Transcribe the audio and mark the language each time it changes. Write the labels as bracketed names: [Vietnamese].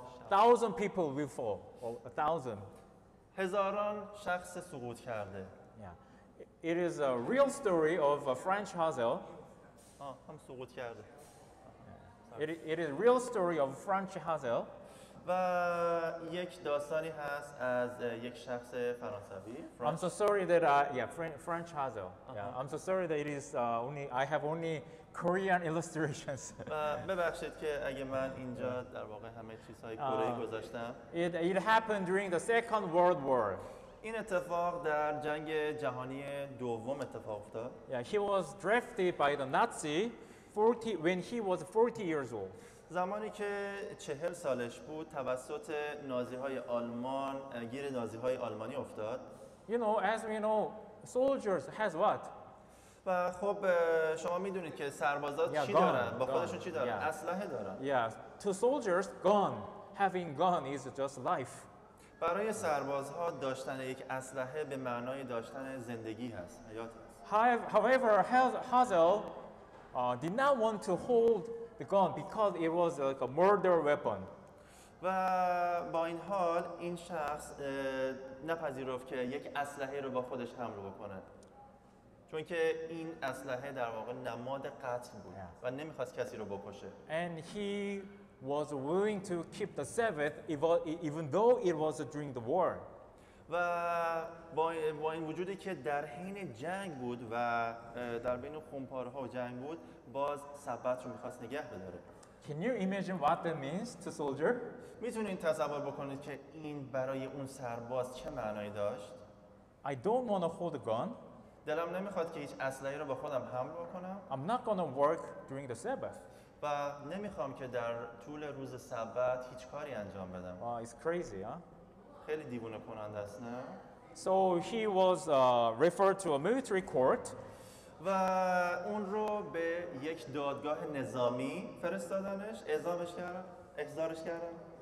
[English] thousand people will fall. Or a thousand. [Persian] هزاران شخص سقوط کرده. [English] Yeah. It is a real story of a French hazel. [Persian] هم سقوط کرده. [English] It is a real story of French Hazel. [Persian] و یک داستانی هست از یک شخص فرانسوی. [English] I'm so sorry that French Hazel. Yeah, I'm so sorry that it is only I have only Korean illustrations. [Persian] ببخشید که اگه من اینجا در واقع همه چیزهای کره‌ای گذاشتم. [English] It happened during the Second World War. [Persian] این اتفاق در جنگ جهانی دوم اتفاق افتاد. [English] Yeah, he was drafted by the Nazi. When he was 40 years old. [Persian] زمانی که 40 سالش بود توسط نازی‌های آلمان گیر نازی‌های آلمانی افتاد. [English] You know, as we know, soldiers has what? [Persian] و خب شما میدونید که سربازا چی دارن؟ با خودشون چی دارن؟ اسلحه دارن. [English] Yes. To soldiers, gun. Having gun is just life. [Persian] برای سربازها داشتن یک اسلحه به معنای داشتن زندگی هست، حیات هست. [English] However, Hazel did not want to hold the gun because it was like a murder weapon. [Persian] و با این حال این شخص نپذیرفت که یک اسلحه رو با خودش حمل بکنه. چون که این اسلحه در واقع نماد قتل بود و نمیخواست کسی رو بکشه. [English] And he was willing to keep the Sabbath even though it was during the war. [Persian] و با این وجودی که در حین جنگ بود و در بین خونپاره‌ها جنگ بود باز سبت رو می‌خواست نگه بداره. [English] Can you imagine what that means to soldier? [Persian] می‌تونید تصور بکنید که این برای اون سرباز چه معنایی داشت؟ [English] I don't want to hold a gun. [Persian] دلم نمی‌خواد که هیچ اسلحه‌ای رو با خودم حمل بکنم. [English] I'm not gonna work during the Sabbath. [Persian] و نمی‌خوام که در طول روز سبت هیچ کاری انجام بدم. [English] Wow, it's crazy, huh? [Persian] خیلی دیوونه کننده است نه. [English] So he was referred to a military court. [Persian] و اون رو به یک دادگاه نظامی فرستادنش، احضارش کردن.